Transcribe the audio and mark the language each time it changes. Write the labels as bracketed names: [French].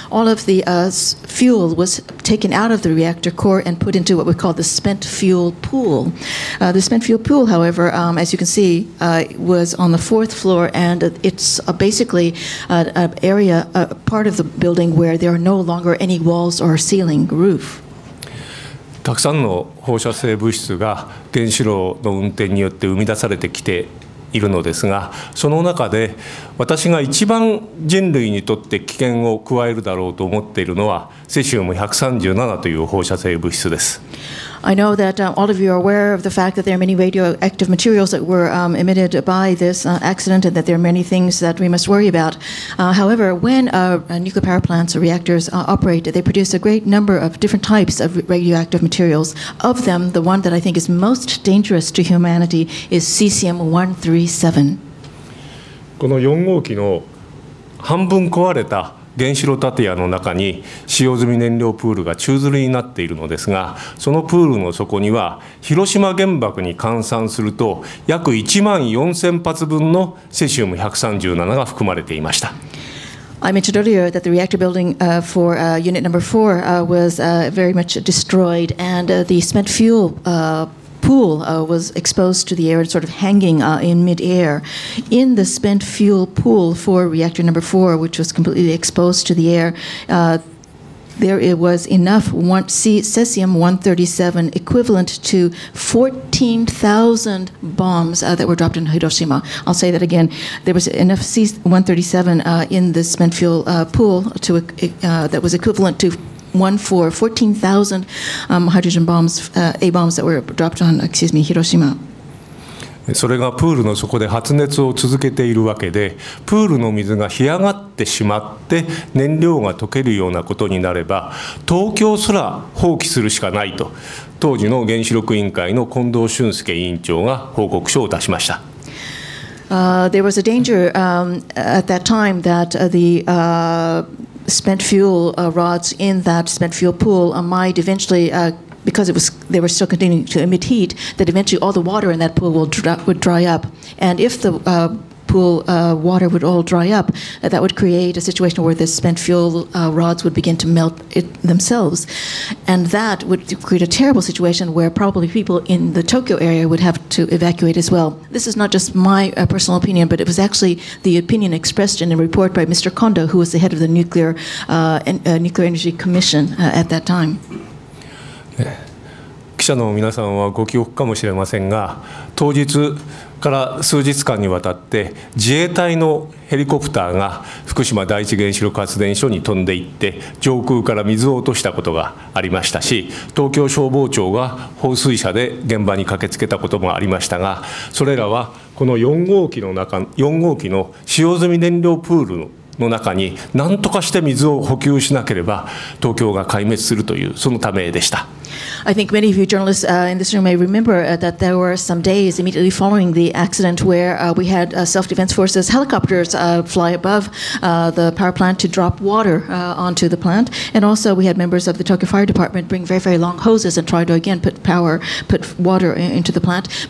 [English] All of the fuel was taken out of the reactor core and put into what we call the spent fuel pool. The spent fuel pool, however, as you can see, was on the fourth floor, and it's basically an area, a part of the building where there are no longer any walls or ceiling roof. [Japanese] たくさんの放射性物質が原子炉の運転によって生み出されてきているのですが、その中で私が一番人類にとって危険を加えるだろうと思っているのはセシウム137という放射性物質です。 [English] I know that all of you are aware of the fact that there are many radioactive materials that were emitted by this accident, and that there are many things that we must worry about. However, when nuclear power plants or reactors operate, they produce a great number of different types of radioactive materials. Of them, the one that I think is most dangerous to humanity is cesium-137. [Japanese] この4号機の半分壊れた原子炉建屋の中に使用済み燃料プールが宙づりになっているのですが、そのプールの底には広島原爆に換算すると約1万4000発分のセシウム137が含まれていました。 [English] I mentioned earlier that the reactor building for unit number 4 was very much destroyed, and the spent fuel pool was exposed to the air and sort of hanging in mid-air. In the spent fuel pool for reactor number 4, which was completely exposed to the air, there it was enough cesium-137 equivalent to 14,000 bombs that were dropped in Hiroshima. I'll say that again. There was enough cesium-137 in the spent fuel pool to that was equivalent to 14,000 hydrogen bombs, A bombs that were dropped on, Hiroshima. [Japanese] それがプールの底で発熱を続けているわけで、プールの水が干上がってしまって燃料が溶けるようなことになれば、東京すら放棄するしかないと当時の原子力委員会の近藤俊介委員長が報告書を出しました。 [English] There was a danger at that time that the spent fuel rods in that spent fuel pool might eventually, because it was, they were still continuing to emit heat, that eventually all the water in that pool would dry up. And if the pool water would all dry up, that would create a situation where the spent fuel rods would begin to melt it themselves. And that would create a terrible situation where probably people in the Tokyo area would have to evacuate as well. This is not just my personal opinion, but it was actually the opinion expressed in a report by Mr. Kondo, who was the head of the Nuclear Energy Commission at that time. [Japanese] 記者の皆さんはご記憶かもしれませんが、当日から数日間にわたって自衛隊のヘリコプターが福島第一原子力発電所に飛んでいって上空から水を落としたことがありましたし、東京消防庁が放水車で現場に駆けつけたこともありましたが、それらはこの4号機の中、4号機の使用済み燃料プールの中に何とかして水を補給しなければ東京が壊滅するというそのためでした。 [English] I think many of you journalists in this room may remember that there were some days immediately following the accident where we had self-defense forces helicopters fly above the power plant to drop water onto the plant. And also we had members of the Tokyo Fire Department bring very, very long hoses and try to again put water into the plant.